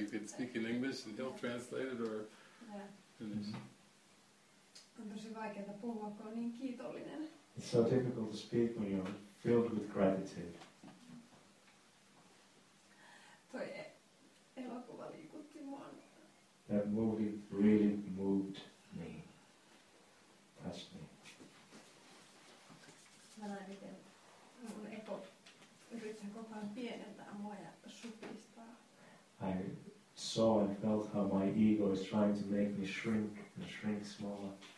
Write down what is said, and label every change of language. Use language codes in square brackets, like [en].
[en] You can speak in English and he'll translate it or finish. [fi] On tosi vaikeaa puhua, kun on niin kiitollinen. [en] It's so difficult to speak when you're filled with gratitude. [fi] Toi elokuva liikutti mua. [en] That movie really moved me. Touched me. [fi] Mä näin, miten mun ego yrittää koko ajan pienentää mua ja supistaa. [en] I saw and felt how my ego is trying to make me shrink and shrink smaller.